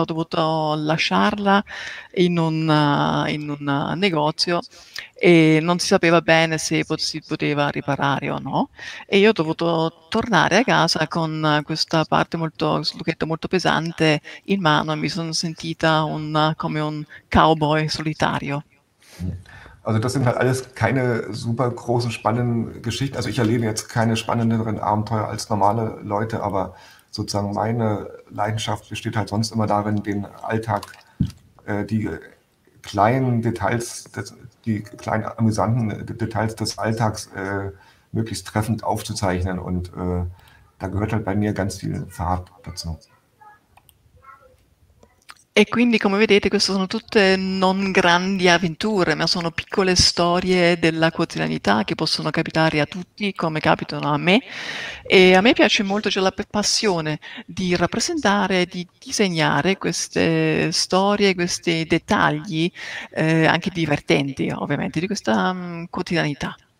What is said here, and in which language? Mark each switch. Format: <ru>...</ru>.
<it>Ho dovuto lasciarla in un negozio e non si sapeva bene se si poteva riparare o no. E io ho dovuto tornare a casa con questa parte molto, questo lucchetto molto pesante in mano, e mi sono sentita come un cowboy solitario.</it> <de>Also das sind halt alles keine super großen spannenden Geschichten. Also ich erlebe jetzt keine spannenderen Abenteuer als normale Leute, aber sozusagen meine Leidenschaft besteht halt sonst immer darin, den Alltag, die kleinen Details, die kleinen amüsanten Details des Alltags möglichst treffend aufzuzeichnen. Und da gehört halt bei mir ganz viel Fahrrad dazu.</de> <it>E quindi, come vedete, queste sono tutte non grandi avventure, ma sono piccole storie della quotidianità che possono capitare a tutti, come capitano a me. E a me piace molto, c'è la passione di rappresentare, di disegnare queste storie, questi dettagli, anche divertenti, ovviamente, di questa quotidianità.</it>